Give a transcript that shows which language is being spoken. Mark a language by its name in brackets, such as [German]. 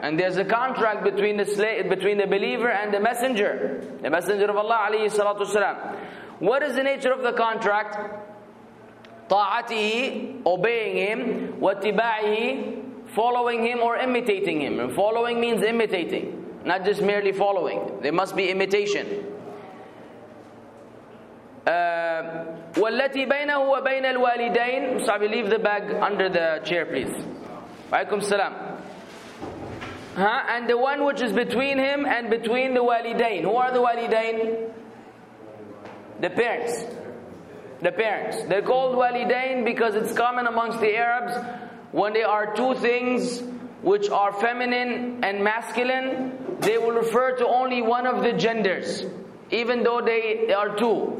[English] And there's a contract between the believer and the messenger of Allah [Arabic] عليه الصلاة والسلام. [English] What is the nature of the contract? [Arabic] طاعته, [English] obeying him, [Arabic] واتباعه, [English] following him or imitating him. And following means imitating, not just merely following. There must be imitation. [Arabic] والتي بينه وبين الوالدين. [English] So I leave the bag under the chair, please. [Arabic] عليكم السلام. [English] Huh? And the one which is between him and between the والدين. Who are the والدين? The parents. The parents. They're called walidain because it's common amongst the Arabs when there are two things which are feminine and masculine, they will refer to only one of the genders, even though they are two.